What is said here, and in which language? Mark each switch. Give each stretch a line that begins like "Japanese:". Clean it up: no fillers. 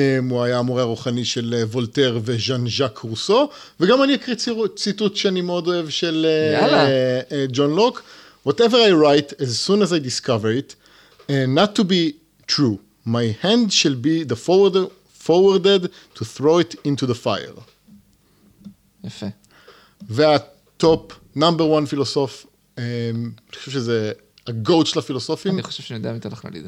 Hebrew: הוא היה המורה הרוחני של וולטר וז'אן ז'אק רוסו. וגם אני אקריא ציטוט שאני מאוד אוהב של ג'ון לוק.
English: Whatever I write, as soon as I discover it, not to be true, my hand shall be the forwarder... forwarded to throw it into the fire.
Hebrew: יפה. והטופ,
English: number one
Hebrew: פילוסוף, אני חושב שזה הגוט של הפילוסופים. אני חושב שאני יודע מתי לך נליד.